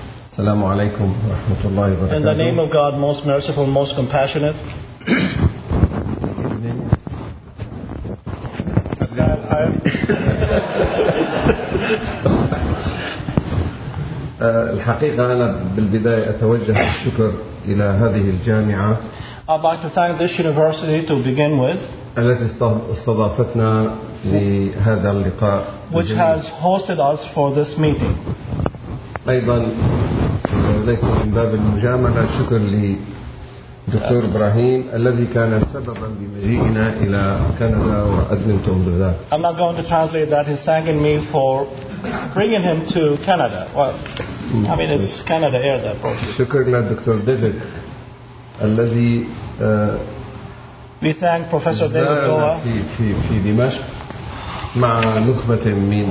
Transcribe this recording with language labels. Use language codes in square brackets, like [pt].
[ar] السلام عليكم ورحمة الله وبركاته. [en] In the name of God, most merciful, most compassionate. uh, [ar] الحقيقة أنا بالبداية أتوجه الشكر إلى هذه الجامعة. [en] I'd like to thank this university to begin with. [ar] التي استضافتنا لهذا اللقاء. [en] Which has hosted us for this meeting. [ar] أيضا ليس من باب المجاملة شكر لدكتور إبراهيم الذي كان سببا بمجيئنا إلى كندا وأدمنتون بذلك. [en] I'm not going to translate that. He's thanking me for bringing him to Canada. Well, I mean it's Canada Air that brought him. [ar] شكرا لدكتور ديفيد الذي [en] we thank Professor David Goa [ar] في دمشق مع نخبة من